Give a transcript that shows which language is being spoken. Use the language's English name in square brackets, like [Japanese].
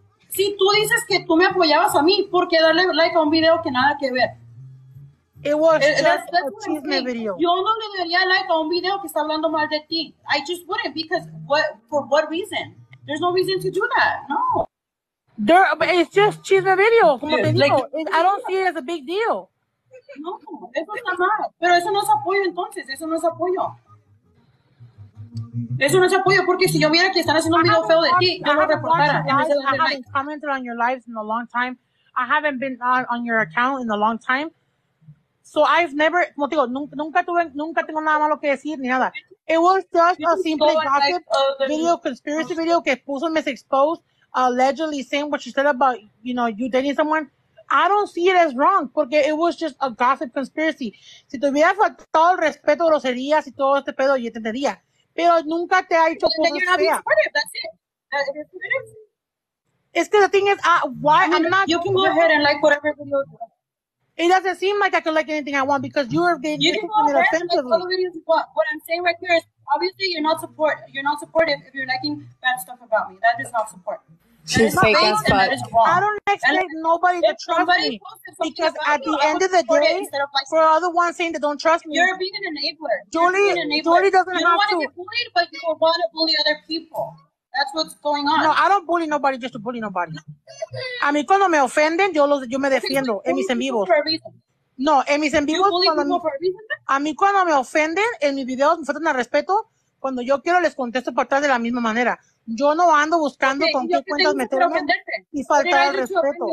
[Spanish] Si tú dices que tú me apoyabas a mí, ¿por qué darle like a un video que nada que ver? [English] It was just a chisme video. I don't see it as a big deal. [Spanish] No, eso está mal. Pero eso no es apoyo, entonces. Eso no es apoyo. Eso no es apoyo, porque si yo viera que están haciendo un video feo de ti, yo lo reportara. [English] I haven't commented on your lives in a long time. I haven't been on your account in a long time. So I've never, [Spanish] como te digo, nunca tengo nada malo que decir ni nada. [English] It was just a simple gossip video, conspiracy video [Spanish] que puso [English] Miss Exposed allegedly saying what she said about, you know, you dating someone. I don't see it as wrong, porque it was just a gossip conspiracy. [Spanish] Si te hubiera faltado el respeto, groserías y todo este pedo, yo te entendía. Pero nunca te ha dicho cosas feas. [English] That's it. [Spanish] Es que [English] the thing is, you can go ahead and like whatever video you want. It doesn't seem like I could like anything I want because you're getting you offensive. Like, what I'm saying right here is obviously you're not supportive if you're liking bad stuff about me. That is not support. I don't expect nobody to trust me because at the end of the day, for all the ones saying that don't trust me, you're being an enabler. Julie doesn't have to. You don't want to get bullied, but you want to bully other people. That's what's going on. No, I don't bully nobody just to bully nobody. [Spanish] A mí cuando me ofenden, yo me defiendo en mis en vivos. No, en mis en vivos, a mí cuando me ofenden, en mis videos me faltan al respeto, cuando yo quiero les contesto por atrás de la misma manera. Yo no ando buscando con qué cuentas meterme y faltar al respeto.